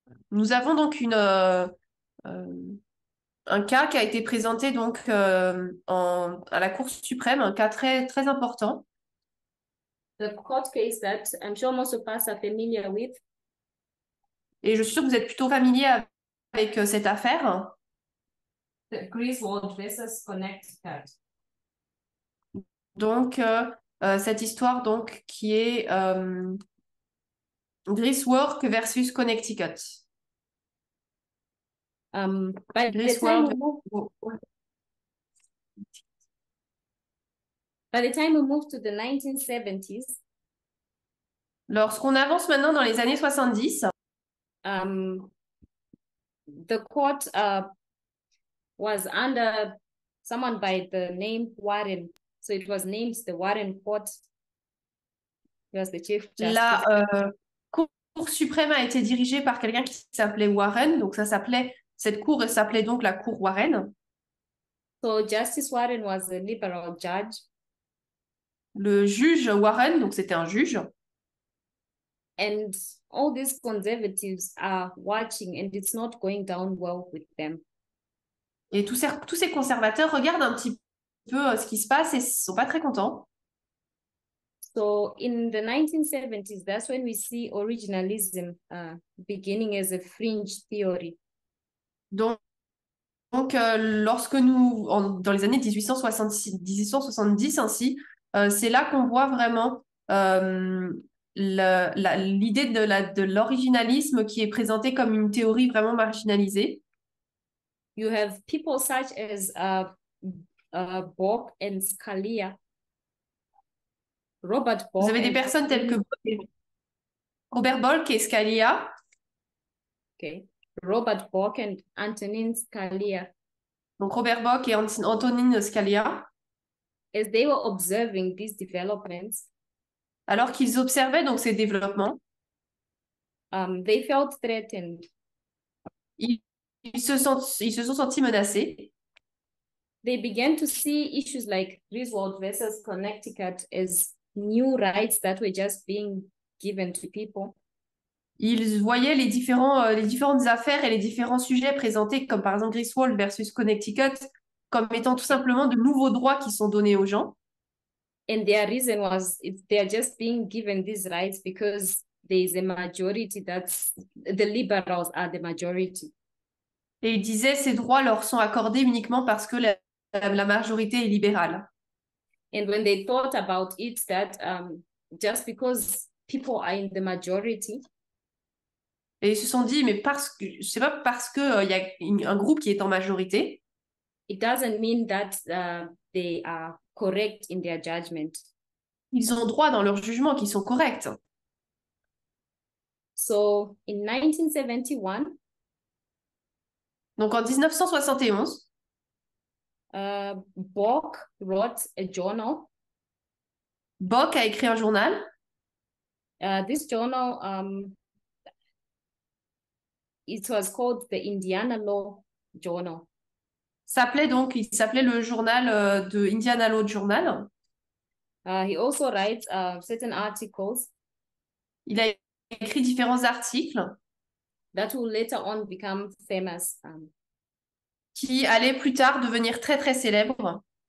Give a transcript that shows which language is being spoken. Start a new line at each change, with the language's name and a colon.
French: nous avons donc un cas qui a été présenté donc à la Cour suprême, un cas très très important.
English: The court case that I'm sure most of us are familiar with.
French: Et je suis sûre que vous êtes plutôt familier avec cette affaire.
English: Griswold versus Connecticut.
French: Donc, cette histoire donc qui est Griswold versus Connecticut.
English: By the time Griswold. we move, by the time we move to the 1970s,
French: Lorsqu'on avance maintenant dans les années 70,
English: the court, was under someone by the name Warren. So it was named the Warren Court. He was the Chief Justice.
French: La Cour suprême a été dirigée par quelqu'un qui s'appelait Warren, donc ça s'appelait cette cour s'appelait donc la Cour Warren.
English: So Justice Warren was a liberal judge.
French: Le juge Warren, donc c'était un juge.
English: And all these conservatives are watching, and it's not going down well with them.
French: Et tous ces conservateurs regardent un petit peu ce qui se passe et ne sont pas très contents.
English: So in the 1970s, that's when we see originalism beginning as a fringe theory.
French: Donc lorsque nous, dans les années 1870 ainsi, c'est là qu'on voit vraiment l'idée de l'originalisme qui est présentée comme une théorie vraiment marginalisée.
English: You have people such as Bork and Scalia, Robert Bork.
French: Vous avez des personnes telles que Robert Bork et Scalia.
English: Okay, Robert Bork and Antonin Scalia.
French: Donc Robert Bork et Antonin Scalia.
English: As they were observing these developments,
French: alors qu'ils observaient donc ces développements,
English: they felt threatened.
French: Ils se sont sentis menacés.
English: They began to see issues like Griswold versus Connecticut as new rights that were just being given to people.
French: Ils voyaient les différentes affaires et les différents sujets présentés, comme par exemple Griswold versus Connecticut, comme étant tout simplement de nouveaux droits qui sont donnés aux gens.
English: And their reason was they are just being given these rights because there is a majority that's the liberals are the majority.
French: Et ils disaient ces droits leur sont accordés uniquement parce que la majorité est libérale.
English: And when they thought about it, that just because people are in the majority.
French: Et ils se sont dit, mais parce que c'est pas parce que il y a un groupe qui est en majorité.
English: It doesn't mean that they are correct in their judgment.
French: Ils ont droit dans leur jugement qu'ils sont corrects.
English: So in 1971.
French: Donc en 1971,
English: Bork wrote a journal.
French: Bork a écrit un journal.
English: This journal, it was called the Indiana Law Journal.
French: Il s'appelait le journal de Indiana Law Journal.
English: He also writes certain articles.
French: Il a écrit différents articles.
English: That will later on become famous.
French: Qui allait plus tard devenir très très célèbre.